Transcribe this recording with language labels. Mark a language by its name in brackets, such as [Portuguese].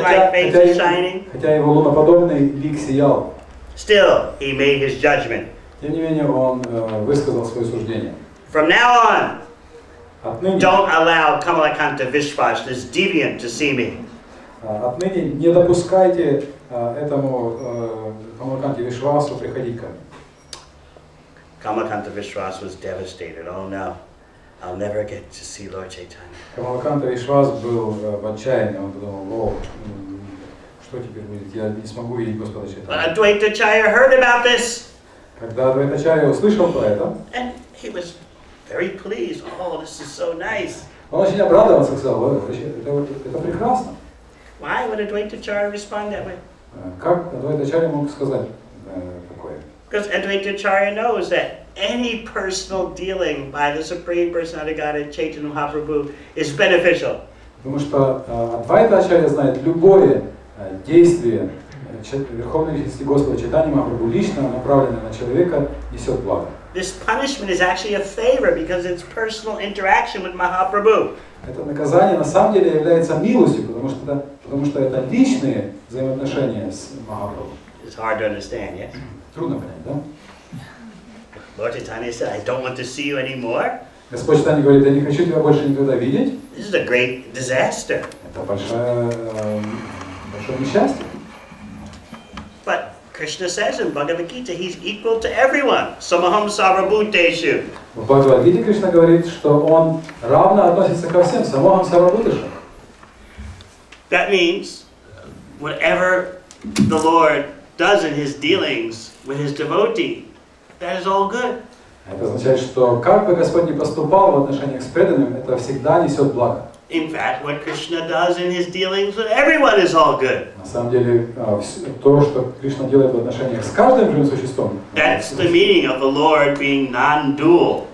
[Russian] Хотя его луноподобный лик сиял. [English] Still, he made his judgment. [Russian] Тем не менее, он высказал свое суждение. [English] From now on, [Russian] отныне, [English] don't allow Kamalakanta Vishvash, this deviant, to see me. [Russian] Отныне не допускайте этому Kamalakanta Vishvasu приходить ко мне. [English] Kamalakanta Vishvas was devastated. Oh no, I'll never get to see Lord Chaitanya. [Russian] Kamalakanta Vishvas был в отчаянии. Он подумал, о, что теперь будет? Я не смогу видеть Господа Чайтанью. [English] Advaita Chaya heard about this. [Russian] Когда Адвайта Чайя услышал про это, [English] he was very pleased. Oh, this is so nice. [Russian] Он очень обрадовался, сказал, это прекрасно. [English] Why would Advaita Chaya respond that way? [Russian] Как Адвайта Чайя мог сказать такое? [English] Because Advaita Chaya knows that any personal dealing by the Supreme Personality of Godhead, Chaitanya Mahaprabhu, is beneficial. [Russian] Потому что Адвайта Чайя знает любое действие Верховной Личности Господа Чайтаньи Махапрабху лично направленное на человека несет благо. [English] This punishment is actually a favor because it's personal interaction with Mahaprabhu. [Russian] Это наказание на самом деле является милостью, потому что это личные взаимоотношения с Махапрабху. [English] It's hard to understand, yes? [Russian] Трудно понять, да? [English] Lord Chaitanya said, I don't want to see you anymore. [Russian] Господь Чайтанья говорит, я не хочу тебя больше никогда видеть. [English] This is a great disaster. [Russian] Это большое несчастье. [English] Krishna says in Bhagavad Gita, he's equal to everyone. [Sanskrit] Самахам сарвабхутешу. [Russian] В Бхагавад Гите Кришна говорит, что он равно относится ко всем. [Sanskrit] Самахам сарвабхутешу. [English] That means, whatever the Lord does in his dealings with his devotee, that is all good. [Russian] Это означает, что как бы Господь ни поступал в отношениях с преданным, это всегда несет благо. [English] In fact, what Krishna does in his dealings with everyone is all good. [Russian] На самом деле, то, что Кришна делает в отношениях с каждым живым существом. [English] That's the meaning of the Lord being non-dual.